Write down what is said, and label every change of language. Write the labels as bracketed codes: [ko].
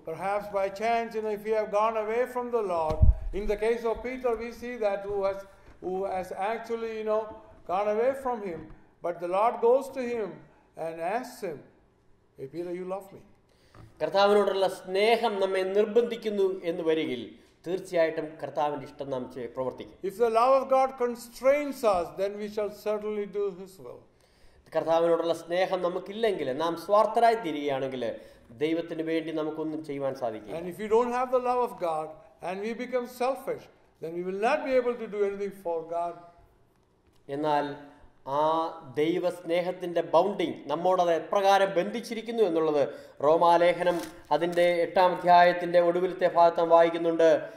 [en] Perhaps by chance, you know, if you have gone away from the Lord, in the case of Peter, we see that who has actually, you know, gone away from him, but the Lord goes to him and asks him, hey Peter, you love me? [ml] കർത്താവിനോടുള്ള സ്നേഹം നമ്മെ നിർബന്ധിക്കുന്നു എന്ന് വരികിൽ തീർച്ചയായിട്ടും കർത്താവിന്റെ ഇഷ്ടം നാം പ്രവർത്തിക്കും. [en] If the love of God constrains us, then we shall certainly do his will. [ml] കർത്താവിനോടുള്ള സ്നേഹം നമുക്കില്ലെങ്കിൽ, നാം സ്വാർത്ഥരായി തീരുകയാണെങ്കിൽ ദൈവത്തിന് വേണ്ടി നമുക്കൊന്നും ചെയ്യുവാൻ സാധിക്കില്ല. [en] And if you don't have the love of God and we become selfish, then we will not be able to do anything for God. [ml] എന്നാൽ ആ ദൈവ സ്നേഹത്തിന്റെ ബൗണ്ടിങ് നമ്മോട് അത് എപ്രകാരം ബന്ധിച്ചിരിക്കുന്നു എന്നുള്ളത് റോമാലേഖനം അതിൻ്റെ 8-ാം അധ്യായത്തിൻ്റെ ഒടുവിലത്തെ ഭാഗത്തും വായിക്കുന്നുണ്ട്.